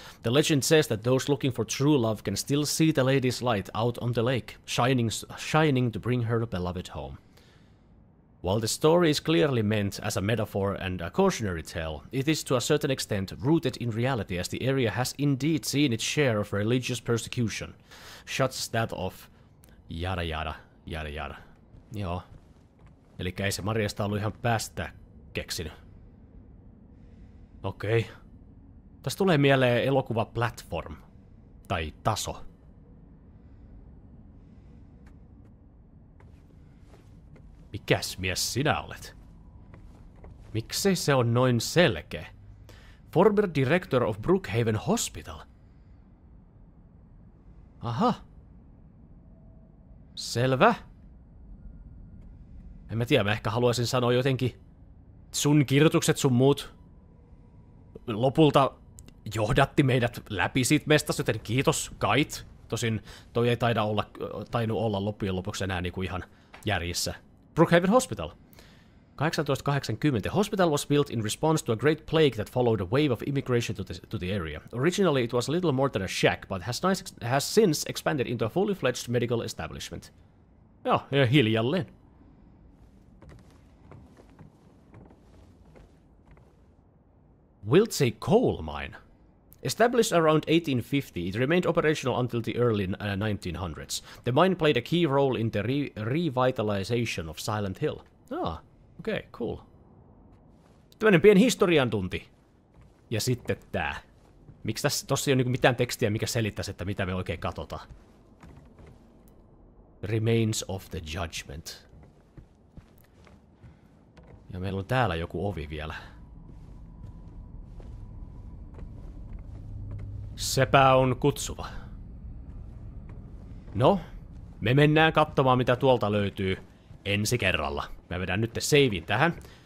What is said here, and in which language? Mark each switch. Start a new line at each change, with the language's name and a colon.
English: The legend says that those looking for true love can still see the lady's light out on the lake, shining to bring her beloved home. While the story is clearly meant as a metaphor and a cautionary tale, it is to a certain extent rooted in reality, as the area has indeed seen its share of religious persecution. Shuts that off. Yada yada, yada yada. Joo.
Finnish: Eli ei se Marjasta ollut ihan päästä keksinyt. Okei. Okay. Tästä tulee mieleen elokuva Platform. Tai taso. Mikäs mies sinä olet? Miksei se on noin selkeä?
English: Former director of Brookhaven Hospital.
Finnish: Aha. Selvä. En mä tiedä, mä ehkä haluaisin sanoa jotenkin sun kirjoitukset, sun muut lopulta johdatti meidät läpi siitä mestasta, joten kiitos, kait. Tosin toi ei tainu olla loppujen lopuksi enää niinku ihan järjissä.
English: Brookhaven Hospital. 1880. The hospital was built in response to a great plague that followed a wave of immigration to the area. Originally it was a little more than a shack, but has since expanded into a fully fledged medical establishment.
Finnish: Joo, hiljalleen.
English: Wiltse coal mine. Established around 1850, it remained operational until the early 1900s. The mine played a key role in the revitalization of Silent Hill. Ah, okay, cool.
Finnish: Tämmönen pieni historian tunti. Ja sitten tää. Miksi tässä tossa ei ole mitään tekstiä, mikä selittäisi, että mitä me oikein katsotaan?
English: Remains of the Judgment.
Finnish: Ja meillä on täällä joku ovi vielä. Sepä on kutsuva. No, me mennään katsomaan mitä tuolta löytyy ensi kerralla. Mä vedän nyt savein tähän.